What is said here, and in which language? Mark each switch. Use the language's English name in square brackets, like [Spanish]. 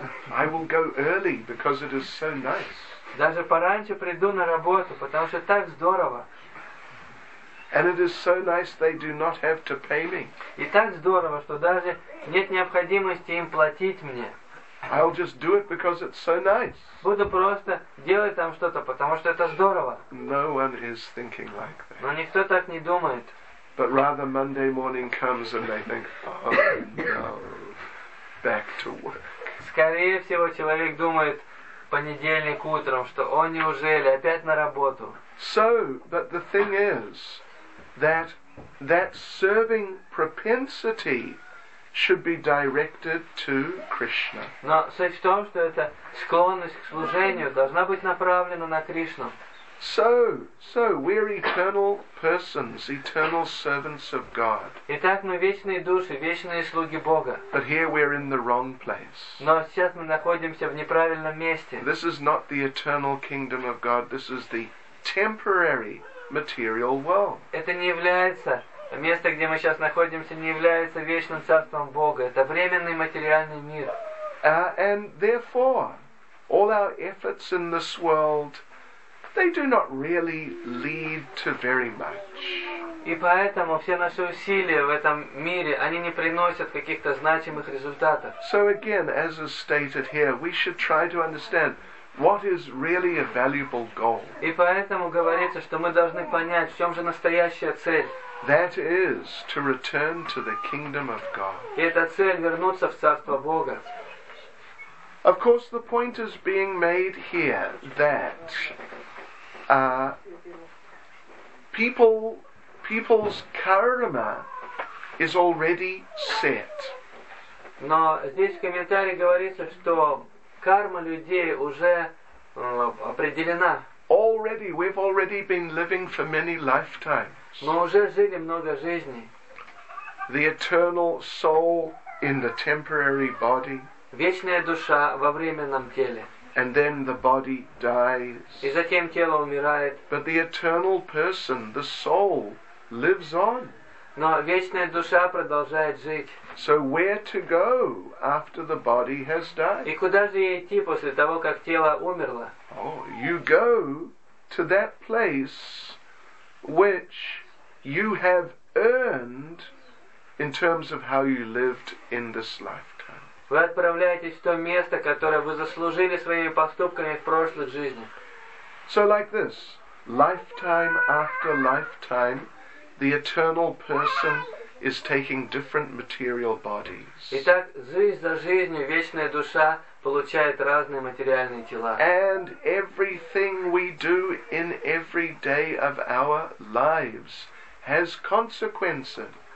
[English] I will go early because it is so nice. [Russian] Даже пораньше приду на работу, потому что так здорово. [English] And it is so nice they do not have to pay me. [Russian] И так здорово, что даже нет необходимости им платить мне. [English] I'll just do it because it's so nice. [Russian] Буду просто делать там что-то, потому что это здорово. [English] No one is thinking like that. [Russian] Но никто так не думает. [English] But rather Monday morning comes and they think, oh no, back to work. [Russian] Скорее всего, человек думает понедельник утром, что о, неужели, опять на работу. [English] So, but the thing is, that serving propensity should be directed to Krishna. [Russian] Но суть в том, что эта склонность к служению должна быть направлена на Кришну. [English] So we are eternal persons, eternal servants of God. [Russian] Итак, мы вечные души, вечные слуги Бога. [English] But here we are in the wrong place. [Russian] Но сейчас мы находимся в неправильном месте. [English] This is not the eternal kingdom of God. This is the temporary material world. [Russian] Это не является место, где мы сейчас находимся, не является вечным царством Бога. Это временный материальный мир. [English] And therefore, all our efforts in this world, they do not really lead to very much. [Russian] И поэтому все наши усилия в этом мире, они не приносят каких-то значимых результатов. [English] So again, as is stated here, we should try to understand what is really a valuable goal. [Russian] И поэтому говорится, что мы должны понять, в чем же настоящая цель. [English] That is to return to the kingdom of God. [Russian] И эта цель — вернуться в царство Бога. [English] Of course, the point is being made here that people's karma is already set. [Russian] Но здесь в комментарии говорится, что карма людей уже определена. [English] Already, we've already been living for many lifetimes. [Russian] Мы уже жили много жизней. [English] The eternal soul in the temporary body. [Russian] Вечная душа во временном теле. [English] And then the body dies. [Russian] И затем тело умирает. [English] But the eternal person, the soul, lives on. [Russian] Но вечная душа продолжает жить. [English] So where to go after the body has died? [Russian] И куда же ей идти после того, как тело умерло? [English] Oh, you go to that place which you have earned in terms of how you lived in this lifetime. [Russian] Вы отправляетесь в то место, которое вы заслужили своими поступками в прошлых жизнях. [English] So like this, lifetime after lifetime, the eternal person is taking different material bodies. [Russian] Итак, жизнь за жизнью вечная душа получает разные материальные тела. [English] And everything we do in every day of our lives has consequences.